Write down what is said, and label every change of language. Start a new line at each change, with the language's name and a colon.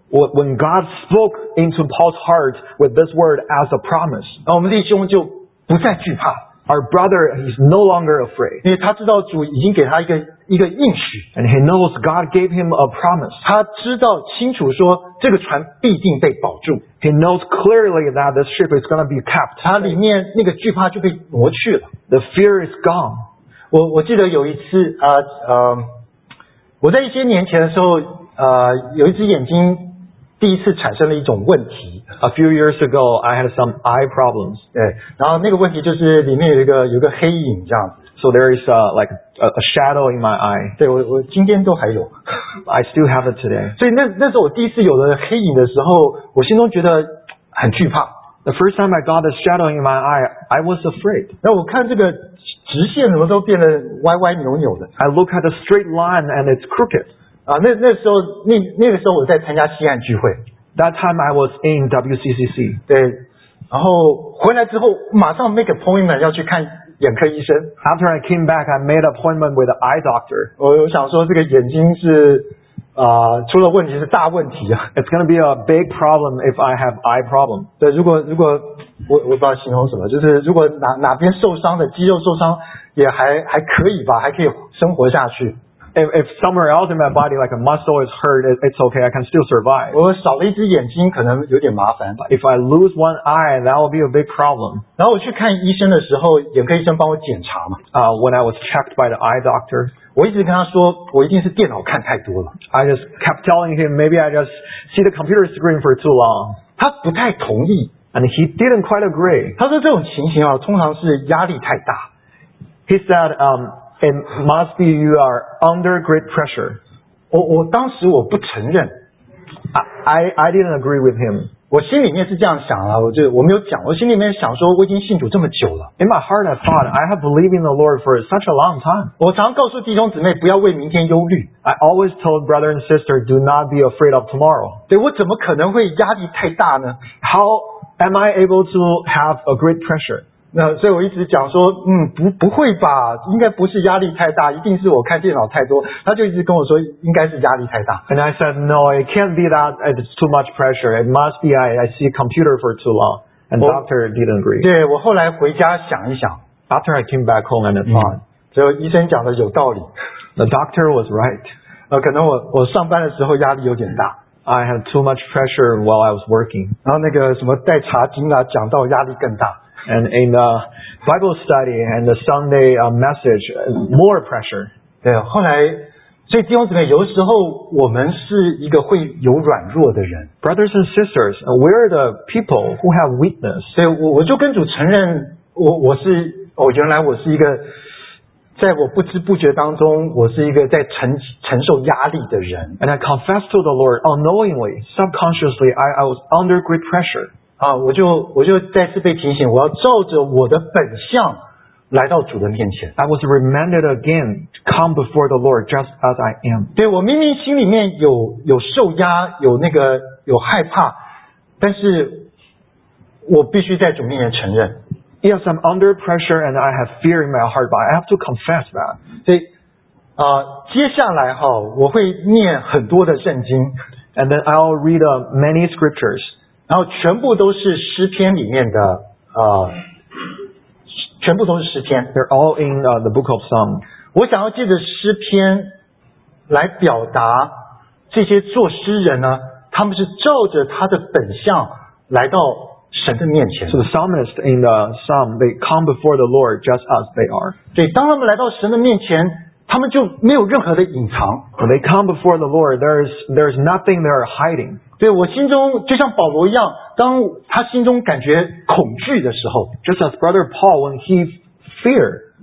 English: ，When God spoke into Paul's heart with this word as a promise，
Chinese: 我们弟兄就不再惧怕。
English: Our brother is no longer afraid，
Chinese: 因为他知道主已经给他一个应许
English: ，And he knows God gave him a promise。
Chinese: 他知道清楚说这个船必定被保住
English: ，He knows clearly that this ship is going to be kept。
Chinese: 他里面那个惧怕就被挪去了
English: ，The fear is gone。
Chinese: 我记得有一次我在一些年前的时候，有一只眼睛第一次产生了一种问题。
English: A few years ago, I had some eye problems.
Chinese: 对，然后那个问题就是里面有一个黑影这样子。
English: So there is a shadow in my eye.
Chinese: 对，我今天都还有。
English: I still have it today.
Chinese: 所以那时候我第一次有了黑影的时候，我心中觉得很惧怕。
English: The first time I got a shadow in my eye, I was afraid.
Chinese: 那我看这个直线怎么都变得歪歪扭扭的
English: ？I look at the straight line and it's crooked.
Chinese: 啊，那时候我在参加西岸聚会。
English: That time I was in WCCC.
Chinese: 对，然后回来之后马上
English: make appointment
Chinese: 要去看眼科医生。
English: After I came back, I made appointment with the eye doctor.
Chinese: 我想说这个眼睛是出了问题是大问题啊。
English: It's gonna be a big problem if I have eye problem.
Chinese: 对，如果我不知道形容什么，就是如果哪边受伤的肌肉受伤也还可以吧，还可以生活下去。
English: If somewhere else in my body, like a muscle is hurt, it's okay. I can still survive.
Chinese: 我少了一只眼睛，可能有点麻烦。
English: If I lose one eye, that will be a big problem.
Chinese: 然后我去看医生的时候，眼科医生帮我检查嘛。
English: When I was checked by the eye doctor,
Chinese: 我一直跟他说，我一定是电脑看太多了。
English: I just kept telling him, maybe I just see the computer screen for too long.
Chinese: 他不太同意。
English: And he didn't quite agree.
Chinese: 他说这种情形啊，通常是压力太大。
English: He said, it must be you are under great pressure.
Chinese: 我当时我不承认。
English: I didn't agree with him.
Chinese: 我心里面是这样想了，我没有讲，我心里面想说我已经信主这么久了。
English: In my heart, I thought I have believed in the Lord for such a long time.
Chinese: 我常告诉弟兄姊妹不要为明天忧虑。
English: I always told brother and sister, do not be afraid of tomorrow.
Chinese: 对，我怎么可能会压力太大呢？
English: How am I able to have a great pressure?
Chinese: 那所以我一直讲说，不会吧，应该不是压力太大，一定是我看电脑太多。他就一直跟我说应该是压力太大。
English: And I said, no, it can't be that it's too much pressure. It must be I see a computer for too long. And doctor didn't agree.
Chinese: 对，我后来回家想一想。
English: After I came back home and I thought.
Chinese: 所以医生讲的有道理。
English: The doctor was right.
Chinese: 可能我上班的时候压力有点大。
English: I had too much pressure while I was working.
Chinese: 然后那个什么带茶巾啊讲到压力更大。
English: And in the Bible study and the Sunday message, more pressure.
Chinese: 对，后来，所以弟兄姊妹，有的时候我们是一个会有软弱的人。
English: Brothers and sisters, we are the people who have weakness.
Chinese: 对，我就跟主承认，我原来我是一个，在我不知不觉当中，我是一个在承受压力的人。
English: And I confess to the Lord unknowingly, subconsciously, I was under great pressure.
Chinese: 我就再次被提醒，我要照着我的本相来到主的面前。
English: I was reminded again, come before the Lord just as I am.
Chinese: 对，我明明心里面有受压，有那个有害怕，但是我必须在主面前承认。
English: Yes, I'm under pressure and I have fear in my heart, but I have to confess that.
Chinese: 所以接下来哈，我会念很多的圣经。
English: And then I'll read many scriptures.
Chinese: 然后全部都是诗篇里面的全部都是诗篇。
English: They're all in the book of Psalms.
Chinese: 我想要借着诗篇来表达这些作诗人呢，他们是照着他的本相来到神的面前。
English: So the psalmist in the psalm, they come before the Lord just as they are.
Chinese: 对，当他们来到神的面前，他们就没有任何的隐藏。
English: When they come before the Lord, there's nothing they're hiding.
Chinese: 对，我心中就像保罗一样，当他心中感觉恐惧的时候
English: ，just as brother Paul when he feared,